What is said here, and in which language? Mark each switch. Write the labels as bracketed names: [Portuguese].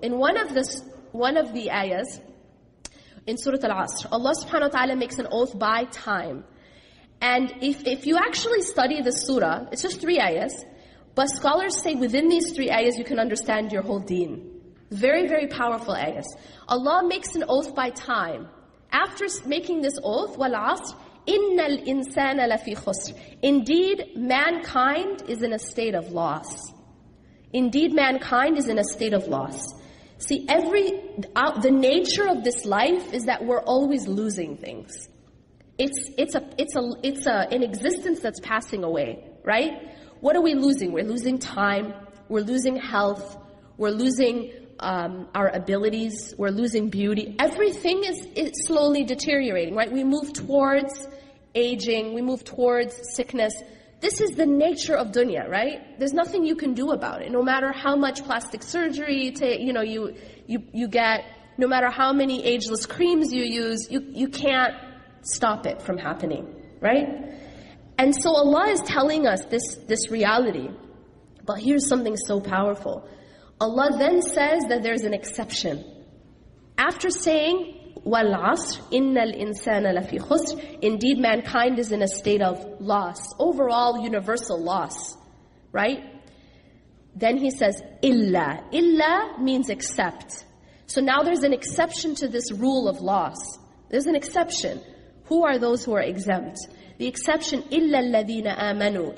[English] In one of the ayahs, in Surah Al-Asr, Allah subhanahu wa ta'ala makes an oath by time. And if you actually study the surah, it's just three ayahs, but scholars say within these three ayahs you can understand your whole deen. Very, very powerful ayahs. Allah makes an oath by time. After making this oath, [Arabic] وَالْعَصْرِ إِنَّ الْإِنسَانَ لَفِي خُسْرٍ. [English] Indeed, mankind is in a state of loss. Indeed, mankind is in a state of loss. See, the nature of this life is that we're always losing things. It's an existence that's passing away, right? What are we losing? We're losing time. We're losing health. We're losing our abilities. We're losing beauty. Everything is slowly deteriorating, right? We move towards aging. We move towards sickness. This is the nature of dunya, right? There's nothing you can do about it. No matter how much plastic surgery you get, no matter how many ageless creams you use, you can't stop it from happening, right? And so Allah is telling us this reality. But here's something so powerful. Allah then says that there's an exception. After saying, [Arabic] وَالْعَصْرِ إِنَّ الْإِنسَانَ لَفِي خُسْرٍ. [English] Indeed, mankind is in a state of loss. Overall, universal loss. Right? Then He says, إِلَّا. إِلَّا means except. So now there's an exception to this rule of loss. There's an exception. Who are those who are exempt? The exception, [Arabic] إِلَّا الَّذِينَ آمَنُوا.